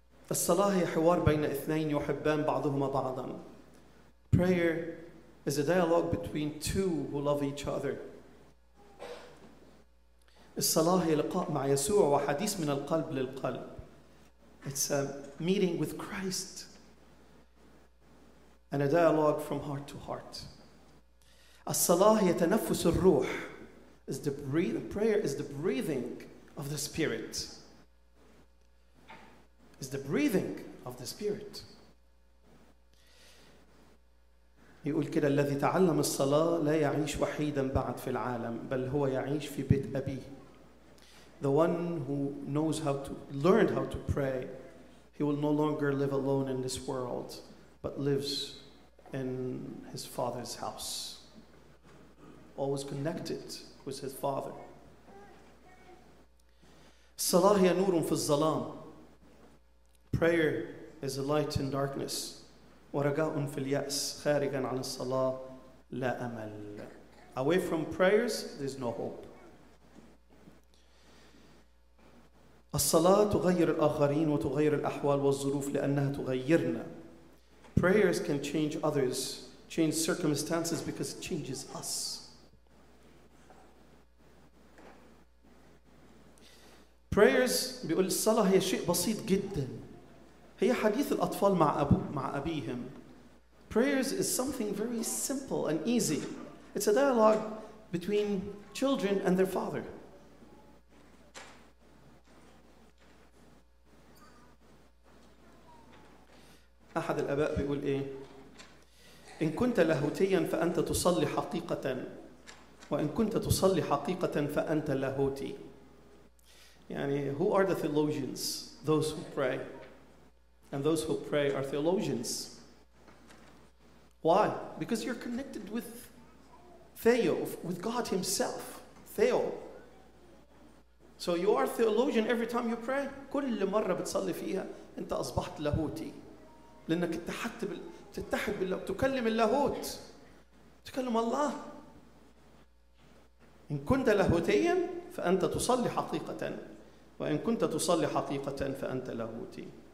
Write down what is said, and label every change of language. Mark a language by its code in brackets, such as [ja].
[ar] الصلاة هي حوار بين اثنين يحبان بعضهما بعضا. [en] Prayer is a dialogue between two who love each other. [ar] الصلاة هي لقاء مع يسوع وحديث من القلب للقلب. [en] It's a meeting with Christ. And a dialogue from heart to heart. [ar] As-salah hiya tanaffus ar-ruh. [en] Prayer is the breathing of the Spirit. It's the breathing of the Spirit. [ar] يقول كده الذي تعلم الصلاة لا يعيش وحيدا بعد في العالم بل هو يعيش في بيت أبيه. [en] The one who knows how to, learned how to pray, he will no longer live alone in this world, but lives in his father's house, always connected with his father. [ar] الصلاة هي نور في الظلام. [en] Prayer is a light in darkness. [ar] ورجاء في اليأس خارجا عن الصلاة لا أمل. [en] Away from prayers, there's no hope. [ar] الصلاة تغير الآخرين وتغير الأحوال والظروف لأنها تغيرنا. [en] Prayers can change others, change circumstances because it changes us. [ar] Prayers, بيقول الصلاة هي شيء بسيط جدا. هي حديث الأطفال مع أبيهم. [en] Prayers is something very simple and easy. It's a dialogue between children and their father. [ar] أحد الآباء بيقول إيه؟ إن كنت لاهوتيا فأنت تصلي حقيقة وإن كنت تصلي حقيقة فأنت لاهوتي. [en] يعني who are the theologians? Those who pray. And those who pray are theologians. Why? Because you're connected with Theo, with God Himself. Theo. So you are theologian every time you pray. [ar] كل مرة بتصلي فيها أنت أصبحت لاهوتي. لأنك تتحد بالله تكلم اللاهوت تكلم الله. إن كنت لاهوتيا فأنت تصلي حقيقة وإن كنت تصلي حقيقة فأنت لاهوتي.